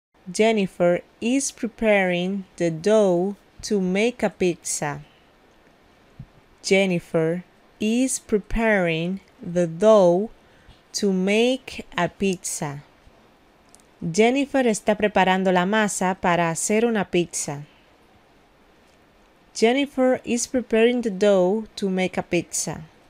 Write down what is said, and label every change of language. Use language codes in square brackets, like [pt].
[en] Jennifer is preparing the dough to make a pizza. Jennifer is preparing the dough to make a pizza. [es] Jennifer está preparando la masa para hacer una pizza. [en] Jennifer is preparing the dough to make a pizza.